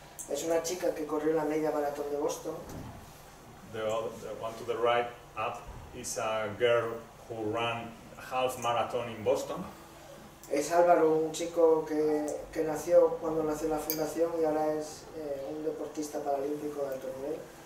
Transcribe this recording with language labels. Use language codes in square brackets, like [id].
[es] Es una chica que corrió la media maratón de Boston. [en] The one to the right up is a girl who ran half marathon in Boston. [es] Es Álvaro, un chico que nació cuando nació la fundación y ahora es un deportista paralímpico de alto nivel.